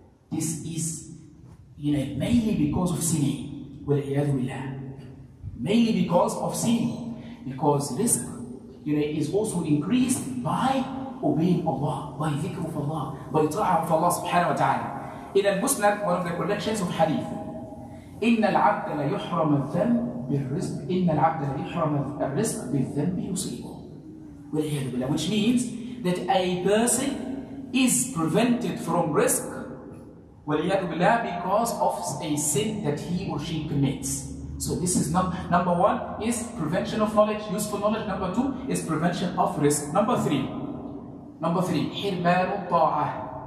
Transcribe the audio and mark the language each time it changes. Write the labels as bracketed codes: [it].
[en] This is, you know, mainly because of sinning. [ar] وَالْعِيَاذُ بِاللَّهِ. [en] Mainly because of sinning. Because risk, you know, is also increased by obeying Allah, by dhikr of Allah, by ta'a of Allah subhanahu wa ta'ala. In al-Musnad, one of the collections of hadith, [ar] إِنَّ الْعَبْدَ لَيُحْرَمَ الذَّنْبِ بِالرِّزْقِ إِنَّ الْعَبْدَ لَيُحْرَمَ الرِّزْقِ بِالذَّنْبِ يُصِيبُهُ. [en] Which means that a person is prevented from risk because of a sin that he or she commits. So this is number one is prevention of knowledge, useful knowledge. Number two is prevention of risk. Number three, [ar] حِرْمَانُ الطَّاعَةِ.